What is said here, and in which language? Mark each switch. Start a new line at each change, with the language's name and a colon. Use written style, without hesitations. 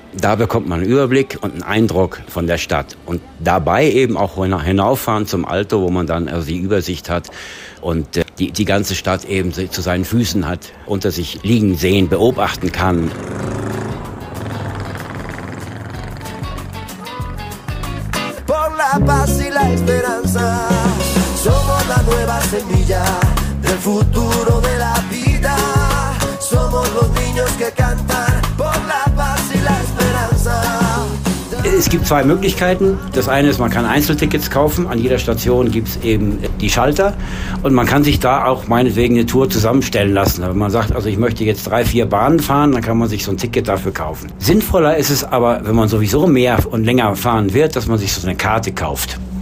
German: Da bekommt man einen Überblick und einen Eindruck von der Stadt. Und dabei eben auch hinauffahren zum Alto, wo man dann also die Übersicht hat und die ganze Stadt eben zu seinen Füßen hat, unter sich liegen, sehen, beobachten kann.
Spanish: Por la paz y la esperanza, somos la nueva semilla del futuro de la vida. Somos los niños que cantan por la paz y la esperanza.
German: Es gibt zwei Möglichkeiten. Das eine ist, man kann Einzeltickets kaufen. An jeder Station gibt es eben die Schalter. Und man kann sich da auch meinetwegen eine Tour zusammenstellen lassen. Wenn man sagt, also ich möchte jetzt 3-4 Bahnen fahren, dann kann man sich so ein Ticket dafür kaufen. Sinnvoller ist es aber, wenn man sowieso mehr und länger fahren wird, dass man sich so eine Karte kauft.